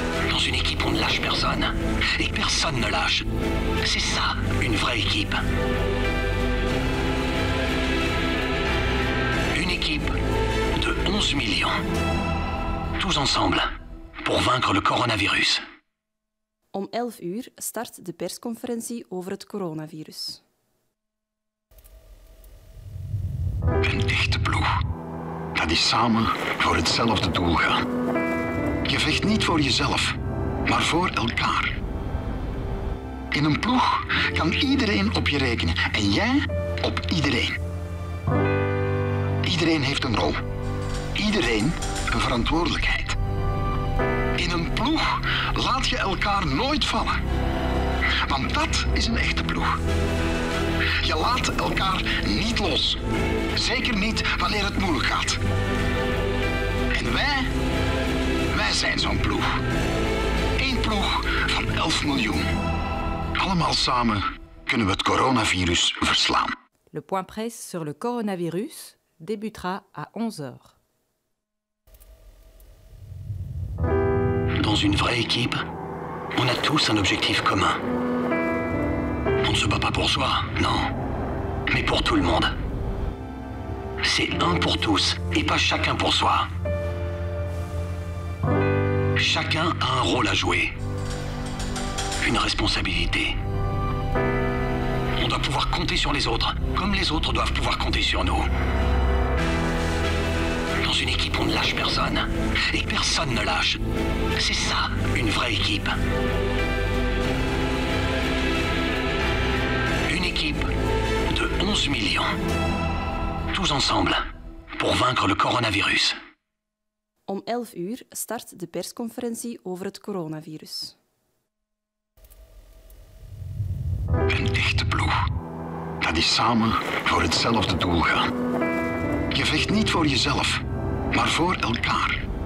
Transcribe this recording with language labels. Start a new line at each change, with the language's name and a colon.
French: Dans une équipe, on ne lâche personne. Et personne ne lâche. C'est ça, une vraie équipe. Une équipe de 11 millions. Tous ensemble, pour vaincre le coronavirus.
Dutch: Om 11 uur start de persconferentie over het coronavirus. Een echte ploeg. Dat is samen voor hetzelfde doel gaan. Je vecht niet voor jezelf, maar voor elkaar. In een ploeg kan iedereen op je rekenen en jij op iedereen. Iedereen heeft een rol. Iedereen een verantwoordelijkheid. In een ploeg laat je elkaar nooit vallen. Want dat is een echte ploeg. Je laat elkaar niet los. Zeker niet wanneer het moeilijk gaat. En wij zijn zo'n ploeg. Eén ploeg van 11 miljoen. Allemaal samen kunnen we het coronavirus verslaan.
French: Le point presse sur le coronavirus débutera à 11h. Dans une vraie équipe, on a tous un objectif commun. On ne se bat pas pour soi, non, mais pour tout le monde. C'est un pour tous et pas chacun pour soi. Chacun a un rôle à jouer. Une responsabilité. On doit pouvoir compter sur les autres, comme les autres doivent pouvoir compter sur nous. Dans une équipe, on ne lâche personne. Et personne ne lâche. C'est ça, une vraie équipe. Une équipe de 11 millions. Tous ensemble, pour vaincre le coronavirus.
Dutch: Om 11 uur start de persconferentie over het coronavirus. Een echte ploeg. Dat is samen voor hetzelfde doel gaan. Je vecht niet voor jezelf, maar voor elkaar.